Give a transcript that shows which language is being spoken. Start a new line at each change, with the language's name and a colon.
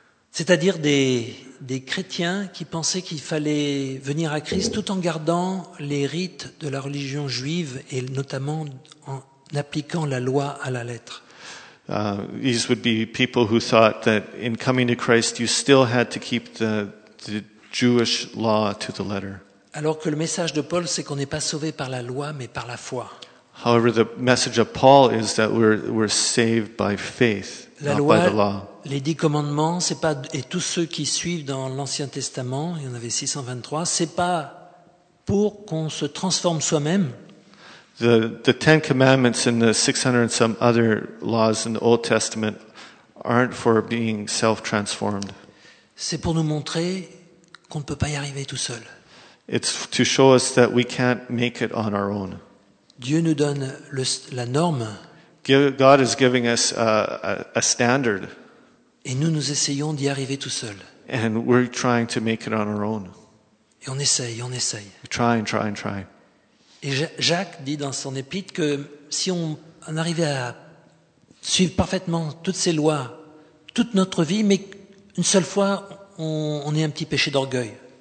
French: C'est-à-dire des chrétiens qui pensaient qu'il fallait venir à Christ tout en gardant les rites de la religion juive et notamment en appliquant la loi à la lettre.
English: These would be people who thought that in coming to Christ you still had to keep the Jewish law to the letter.
French: Alors que le message de Paul c'est qu'on n'est pas sauvé par la loi mais par la foi.
English: However, the message of Paul is that we're saved by faith.
French: La loi, les 10 commandements, c'est pas, et tous ceux qui suivent dans l'Ancien Testament, il y en avait 623, c'est pas pour qu'on se transforme soi-même.
English: The 10 commandments and the 600 and some other laws in the Old Testament aren't for being self-transformed.
French: C'est pour nous montrer qu'on ne peut pas y arriver tout seul.
English: It's to show us that we can't make it on our own.
French: Dieu nous donne la norme.
English: God is giving us a standard.
French: Et nous essayons d'y arriver tout seul.
English: And we're trying to make it on our own.
French: Et on essaye.
English: Try.
French: Et Jacques dit dans son épître que si on arrivait à suivre parfaitement toutes ces lois, toute notre vie, mais une seule fois, on est un petit péché d'orgueil.